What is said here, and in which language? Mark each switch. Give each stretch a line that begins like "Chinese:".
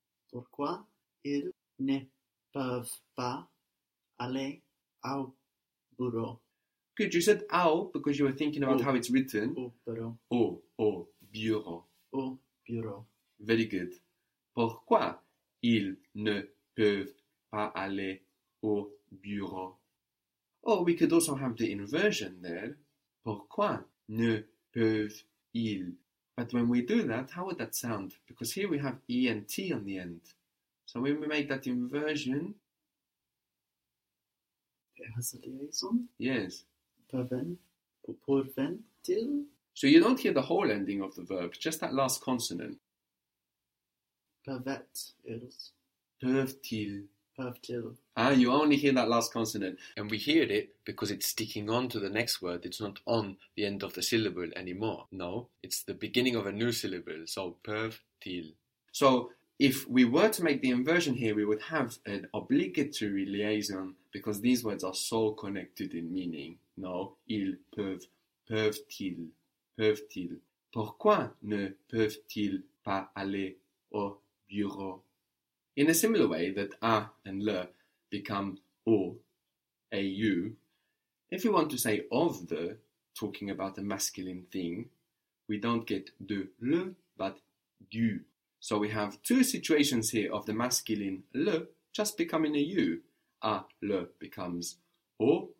French: Pourquoi ils ne peuvent pas aller au bureau?
English: Good, you said au because you were thinking about how it's written.
French: Au bureau. Au bureau. Au bureau.
English: Very good.
French: Pourquoi ils ne peuvent pas aller au bureau?
English: Oh, we could also have the inversion there.
French: Pourquoi ne peuvent-ils?
English: But when we do that, how would that sound? Because here we have E-N-T on the end. So when we make that inversion... It has a liaison? Yes.
French: Pourventil?
English: So you don't hear the whole ending of the verb, just that last consonant.
French: Pervet-ils. Pervetil. Pervetil.
English: Ah, you only hear that last consonant. And we hear it because it's sticking on to the next word. It's not on the end of the syllable anymore. No, it's the beginning of a new syllable. So, peuvent-ils. So, if we were to make the inversion here, we would have an obligatory liaison because these words are so connected in meaning.
French: No, ils peuvent, peuvent-ils, peuvent-ils. Pourquoi ne peuvent-ils pas aller au bureau?
English: In a similar way that a and le become au, au, if you want to say of the, talking about a masculine thing, we don't get de le, but du. So we have two situations here of the masculine le just becoming a u. A le becomes au